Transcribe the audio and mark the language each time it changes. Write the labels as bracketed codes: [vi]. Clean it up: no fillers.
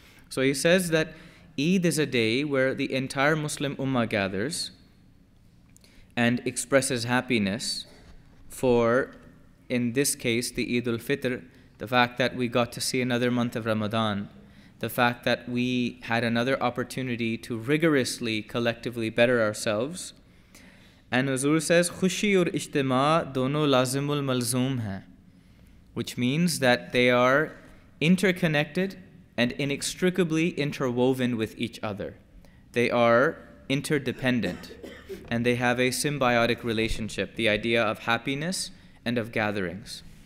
[en] So he says that Eid is a day where the entire Muslim Ummah gathers and expresses happiness for, in this case, the Eid Ul Fitr, the fact that we got to see another month of Ramadan, the fact that we had another opportunity to rigorously, collectively better ourselves. And Huzur says, [ur] خُشِي اور اجتماع دونوں لازم الملزوم ہیں. [en] which means that they are interconnected and inextricably interwoven with each other. They are interdependent, and they have a symbiotic relationship, the idea of happiness and of gatherings.